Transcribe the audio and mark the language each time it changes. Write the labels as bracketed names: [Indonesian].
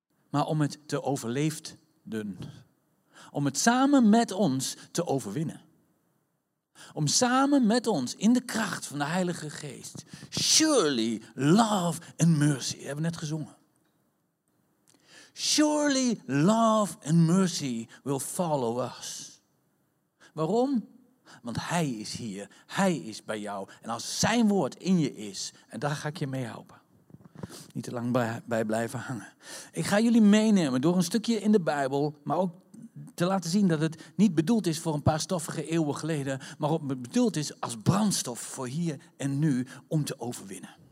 [Dutch] Maar om het te overleefden. Om het samen met ons te overwinnen. Om samen met ons in de kracht van de Heilige Geest. [English] Surely love and mercy. [Dutch] Dat hebben we net gezongen. [English] Surely love and mercy will follow us. [Dutch] Waarom? Want hij is hier. Hij is bij jou. En als zijn woord in je is, en daar ga ik je mee helpen. Niet te lang bij blijven hangen. Ik ga jullie meenemen door een stukje in de Bijbel, maar ook te laten zien dat het niet bedoeld is voor een paar stoffige eeuwen geleden, maar bedoeld is als brandstof voor hier en nu om te overwinnen.